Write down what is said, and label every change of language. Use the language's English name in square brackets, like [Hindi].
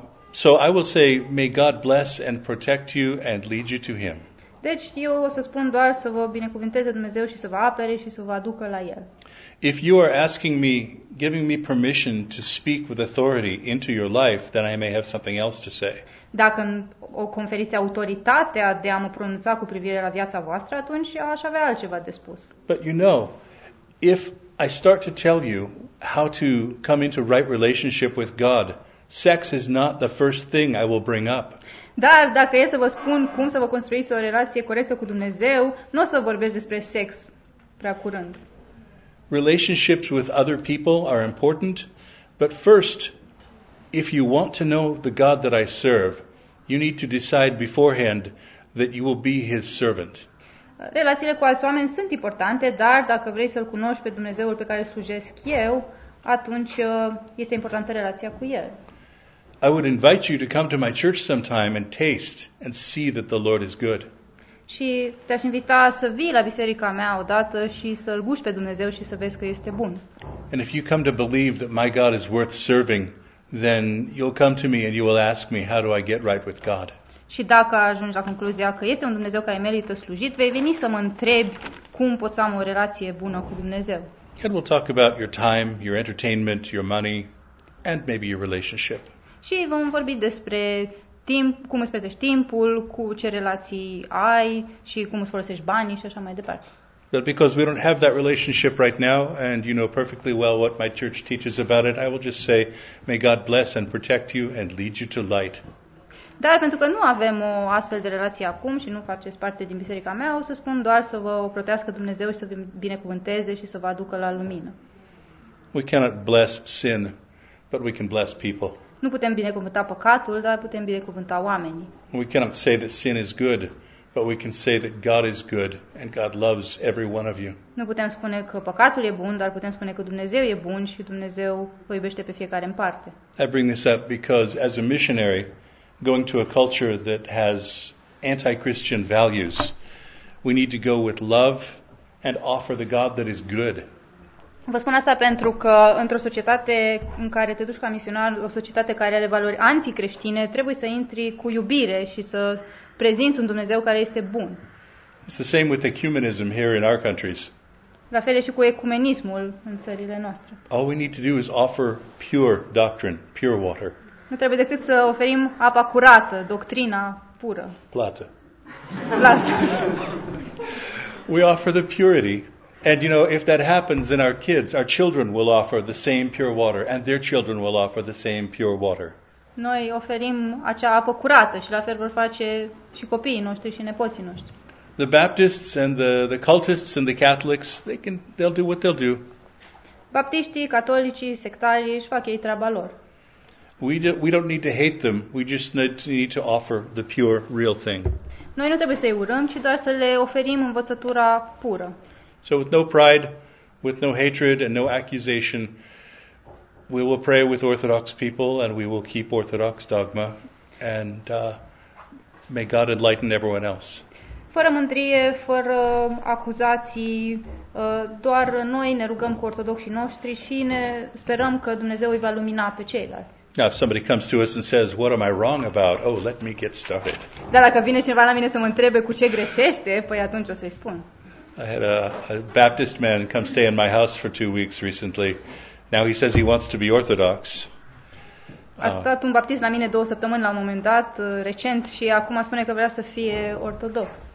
[English] So I will say, "May God bless and protect you and lead you to him." [Romanian] Deci eu o să spun doar să vă binecuvinteze Dumnezeu și să vă apere și să vă aducă la el. [English] If you are asking me, giving me permission to speak with authority into your life, then I may have something else to say. [Romanian] Dacă o conferiți autoritatea de a mă pronunța cu privire la viața voastră, atunci aș avea altceva de spus. [English] But you know, if I start to tell you how to come into right relationship with God, sex is not the first thing I will bring up. [Romanian] Dar dacă e să vă spun cum să vă construiți o relație corectă cu Dumnezeu, nu o să vorbesc despre sex prea curând. [English] Relationships with other people are important, but first, if you want to know the God that I serve, you need to decide beforehand that you will be his servant. [Romanian] Relațiile cu alți oameni sunt importante, dar dacă vrei să-L cunoști pe Dumnezeul pe care îl slujesc eu, atunci este importantă relația cu El. [English] I would invite you to come to my church sometime and taste and see that the Lord is good. [Romanian] Și te-aș invita să vii la biserica mea odată și să-L guști pe Dumnezeu și să vezi că este bun. [English] And if you come to believe that my God is worth serving, then you'll come to me and you will ask me, how do I get right with God? [Romanian] Și dacă ajungi la concluzia că este un Dumnezeu care merită slujit, vei veni să mă întrebi cum pot să am o relație bună cu Dumnezeu. [English] And we'll talk about your time, your entertainment, your money, and maybe your relationship. [Romanian] Și vom vorbi despre timp, cum îți petrești timpul, cu ce relații ai și cum îți folosești banii și așa mai departe. [English] But because we don't have that relationship right now, and you know perfectly well what my church teaches about it, I will just say, may God bless and protect you and lead you to light. [Romanian] Dar pentru că nu avem o astfel de relație acum și nu faceți parte din biserica mea, o să spun doar să vă protească Dumnezeu și să vă binecuvânteze și să vă aducă la lumină. [English] We cannot bless sin, but we can bless people. [Romanian] Nu putem binecuvânta păcatul, dar putem binecuvânta oamenii. [English] We cannot say that sin is good, but we can say that God is good and God loves every one of you. [Romanian] Nu putem spune că păcatul e bun, dar putem spune că Dumnezeu e bun și Dumnezeu vă iubește pe fiecare în parte. [English] I bring this up because as a missionary going to a culture that has anti-Christian values, we need to go with love and offer the God that is good. [Romanian] Vă spun asta pentru că într-o societate în care te duci ca misionar, o societate care are valori anticreștine, trebuie să intri cu iubire și să prezinți un Dumnezeu care este bun. [English] It's the same with ecumenism here in our countries. [Romanian] La fel și cu ecumenismul în țările noastre. [English] All we need to do is offer pure doctrine, pure water. [Romanian] Nu trebuie decât să oferim apa curată, doctrina pură. Plată. Plată. [English] We offer the purity. And you know, if that happens, then our kids, our children will offer the same pure water and their children will offer the same pure water. [Romanian] Noi oferim acea apă curată și la fel vor face și copiii noștri și nepoții noștri. [English] The Baptists and the cultists and the Catholics, they'll do what they'll do. [Romanian] Baptiștii, catolicii, sectarii își fac ei treaba lor. [English] We don't need to hate them. We just need to offer the pure, real thing. [Romanian] Noi nu trebuie să-i urăm, ci doar să le oferim învățătura pură. [English] So with no pride, with no hatred and no accusation, we will pray with Orthodox people and we will keep Orthodox dogma and may God enlighten everyone else. [Romanian] Fără mândrie, fără acuzații, doar noi ne rugăm cu ortodoxii noștri și ne sperăm că Dumnezeu îi va lumina pe ceilalți. [English] Now, if somebody comes to us and says, what am I wrong about? Oh, let me get started. [Romanian] Dar dacă vine cineva la mine să mă întrebe cu ce greșește, păi atunci o să-i spun. [English] I had a Baptist man come stay in my house for 2 weeks recently. Now he says he wants to be Orthodox. [Romanian] A stat un baptist la mine 2 săptămâni la un moment dat, recent, și acum spune că vrea să fie ortodox.